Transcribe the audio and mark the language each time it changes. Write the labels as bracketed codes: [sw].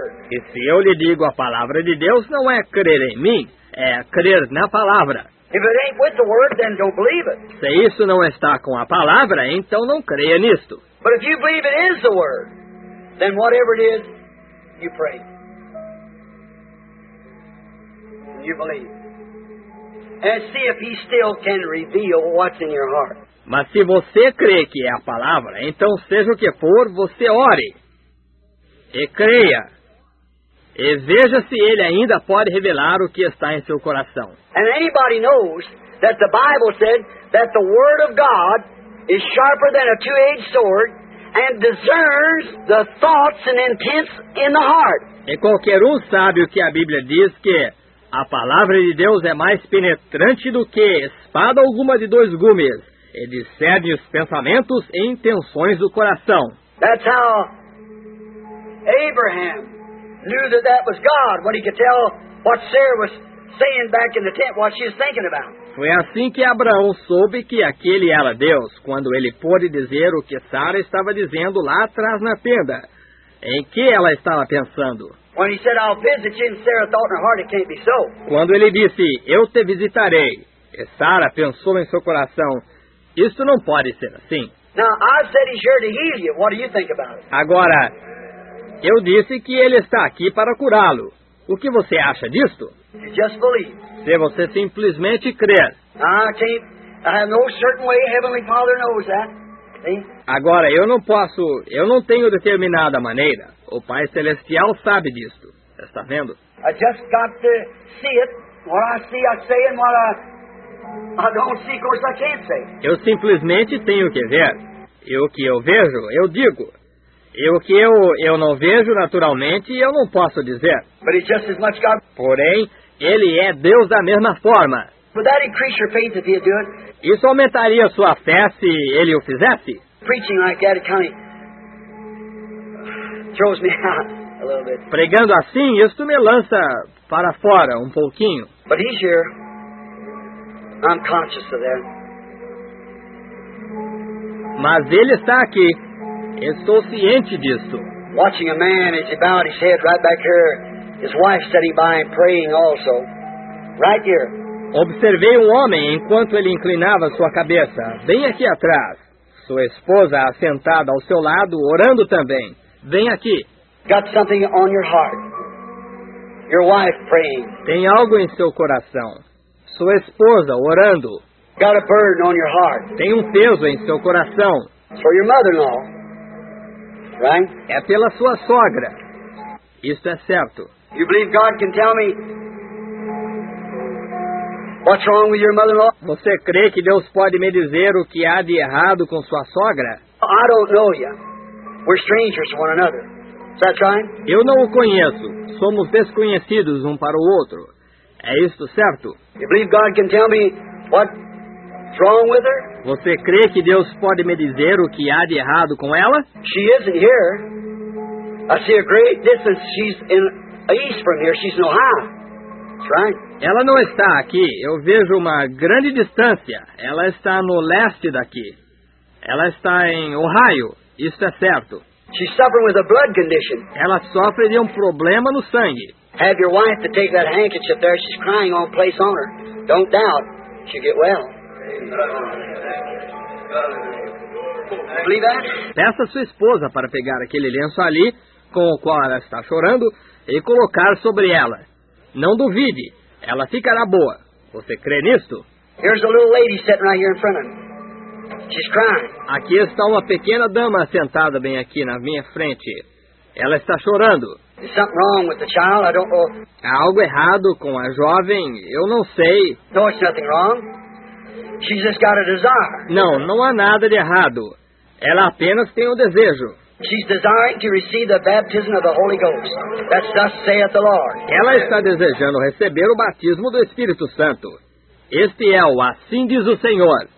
[pt] E se eu lhe digo a palavra de Deus, não é crer em mim, é crer na palavra. [en] If it ain't with the word, then don't believe it. [pt] Se isso não está com a palavra, então não creia nisto. [en] But if you believe it is the word, then whatever it is, you pray. And you believe. and see if he still can reveal what's in your heart. [pt] Mas se você crê que é a palavra, então seja o que for, você ore e creia. E veja se ele ainda pode revelar o que está em seu coração. [en] And anybody knows that the Bible said that the word of God is sharper than a two-edged sword and discerns the thoughts and intents in the heart. [pt] E qualquer um sabe o que a Bíblia diz, que a palavra de Deus é mais penetrante do que espada alguma de dois gumes. E discerne os pensamentos e intenções do coração. [en] That's how Abraham knew that that was God, when he could tell what Sarah was saying back in the tent, what she was thinking about. [pt] Foi assim que Abraão soube que aquele era Deus, quando ele pôde dizer o que Sara estava dizendo lá atrás na tenda. Em que ela estava pensando? [en] When he said, "I'll visit you," and Sarah thought in her heart, "It can't be so." [pt] Quando ele disse, "Eu te visitarei," e Sara pensou em seu coração, "Isso não pode ser assim." [en] Now, I've said he's here to heal you. What do you think about it? [pt] Agora, eu disse que ele está aqui para curá-lo. O que você acha disto? [en] You just believe. [pt] Se você simplesmente crer. [en] I have no certain way. Heavenly Father knows that. [pt] Agora, eu não tenho determinada maneira. O Pai Celestial sabe disto. Está vendo? [en] I just got to see it. What I see, I say, and what I don't see, of course, I can't say. [pt] Eu simplesmente tenho que ver. E o que eu vejo, eu digo. E o que eu não vejo naturalmente, eu não posso dizer. [en] But it's just as much God. [pt] Porém, Ele é Deus da mesma forma. [en] Would that increase your faith if he'd do it? [pt] Isso aumentaria sua fé se ele o fizesse? [en] Preaching like that, it kind of throws me out a little bit. [pt] Pregando assim, isto me lança para fora um pouquinho. [en] But he's here. I'm conscious of that. [pt] Mas ele está aqui. Estou ciente disso. [en] Watching a man as he bowed his head right back here. His wife sitting by and praying also. Right here. [pt] Observei um homem enquanto ele inclinava sua cabeça, bem aqui atrás. Sua esposa assentada ao seu lado, orando também. Vem aqui. [en] Got something on your heart. Your wife praying. [pt] Tem algo em seu coração. Sua esposa orando. [en] Got a burden on your heart. [pt] Tem um peso em seu coração. [en] For your mother-in-law. Right? [pt] É pela sua sogra. Isso é certo. [en] You believe God can tell me? What's wrong with your mother-in-law? [pt] Você crê que Deus pode me dizer o que há de errado com sua sogra? [en] I don't know you. We're strangers to one another. Is that right? [pt] Eu não o conheço. Somos desconhecidos um para o outro. É isto certo? [en] You believe God can tell me what's wrong with her? [pt] Você crê que Deus pode me dizer o que há de errado com ela? [en] She isn't here. I see a great distance. She's in east from here. She's in Ohio. [pt] Ela não está aqui. Eu vejo uma grande distância. Ela está no leste daqui. Ela está em Ohio. Isso é certo. [en] She's suffering with a blood condition. [pt] Ela sofre de um problema no sangue. [en] Have your wife to take that handkerchief there. She's crying on place on her. Don't doubt. She'll get well. Believe that? [pt] Peça a sua esposa para pegar aquele lenço ali, com o qual ela está chorando, e colocar sobre ela. Não duvide, ela ficará boa. Você crê nisto? [en] Here's a little lady sitting right here in front of me. She's crying. [pt] Aqui está uma pequena dama sentada bem aqui na minha frente. Ela está chorando. [en] Is something wrong with the child? I don't know. [pt] Há algo errado com a jovem? Eu não sei. [en] No, it's nothing wrong. She's just got a desire. [pt] Não, não há nada de errado. Ela apenas tem um desejo. [en] She's desiring to receive the baptism of the Holy Ghost. That's thus saith the Lord. [pt] Ela está desejando receber o batismo do Espírito Santo. Este é o assim diz o Senhor.